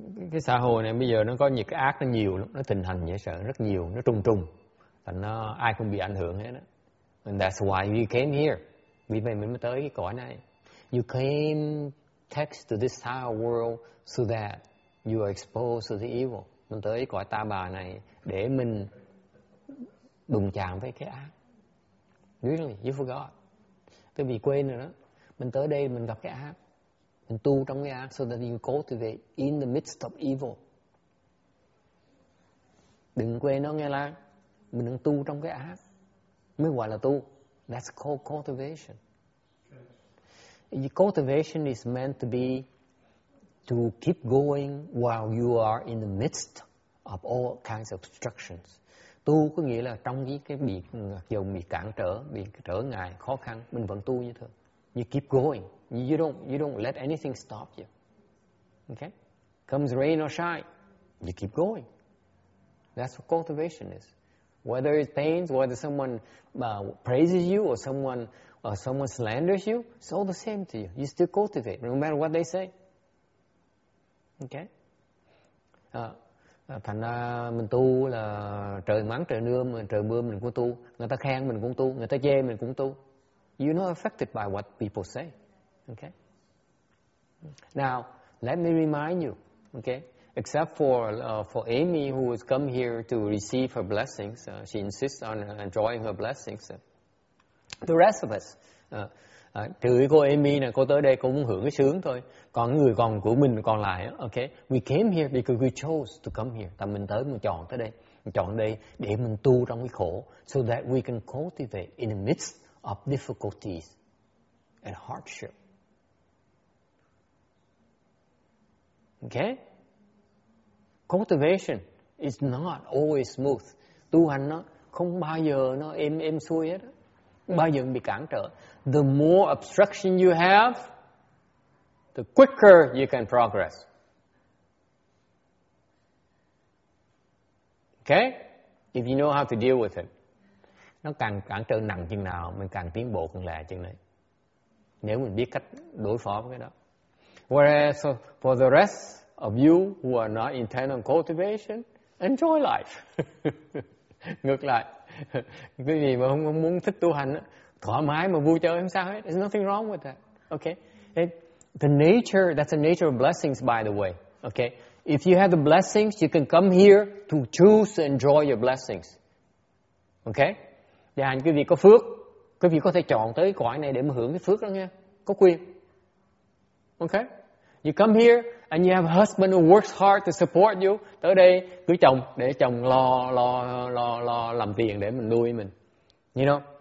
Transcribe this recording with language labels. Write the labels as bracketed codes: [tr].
[vi] Cái xã hội này bây giờ nó có những cái ác nó nhiều lắm, nó tình hình dễ sợ rất nhiều, nó trùng trùng, thành nó ai cũng bị ảnh hưởng hết đó. [en] And that's why we came here. [vi] Vì vậy mình mới tới cái cõi này. [en] You came text to this sour world so that you are exposed to the evil. [vi] Mình tới cái cõi ta bà này để mình đụng chạm với cái ác. [en] Really, you forgot. [vi] Tôi bị quên rồi đó. Mình tới đây mình gặp cái ác. Mình tu trong cái ác [en] so that you cultivate in the midst of evil. [vi] Đừng quên nó nghe là mình đang tu trong cái ác. Mới gọi là tu. [en] That's called cultivation. Okay. Cultivation is meant to be to keep going while you are in the midst of all kinds of obstructions. [vi] Tu có nghĩa là trong cái bị dòng bị cản trở, bị trở ngại, khó khăn, mình vẫn tu như thường. [en] You keep going. You don't let anything stop you. Okay? Comes rain or shine, you keep going. That's what cultivation is. Whether it's pains, whether someone praises you or someone slanders you, it's all the same to you. You still cultivate, no matter what they say. Okay? [vi] Thành ra mình tu là trời mắng trời mưa, trời mưa mình cũng tu. Người ta khen mình cũng tu, người ta chê mình cũng tu. [en] You're not affected by what people say. Okay? Now, let me remind you. Okay? Except for Amy, who has come here to receive her blessings. She insists on enjoying her blessings. The rest of us. [vi] Trừ cô Amy này, cô tới đây cô muốn hưởng cái sướng thôi. Còn người còn của mình còn lại, okay? [en] We came here because we chose to come here. [vi] Tại mình tới, mình chọn tới đây. Mình chọn đây để mình tu trong cái khổ. [en] So that we can cultivate in the midst of difficulties and hardship. Okay? Cultivation is not always smooth. [vi] Tu hành nó không bao giờ nó êm xuôi hết. Bao giờ bị cản trở. [en] The more obstruction you have, the quicker you can progress. Okay? If you know how to deal with it. [vi] Nó càng cản trở nặng chừng nào, mình càng tiến bộ càng lẹ chừng đấy. Nếu mình biết cách đối phó với cái đó. [en] Whereas for the rest of you who are not intent on cultivation, enjoy life. [vi] Ngược lại, quý vị mà không muốn thích tu hành, thoải mái mà vui chơi, không sao hết. [en] There's nothing wrong with that. Okay? That's the nature of blessings, by the way. Okay? If you have the blessings, you can come here to choose to enjoy your blessings. Okay? [vi] Và anh quý vị có phước, quý vị có thể chọn tới cõi này để mà hưởng cái phước đó nghe. Có quyền. Okay? [en] You come here and you have a husband who works hard to support you. [vi] Tới đây cưới chồng để chồng lo làm tiền để mình nuôi mình. [en] You know?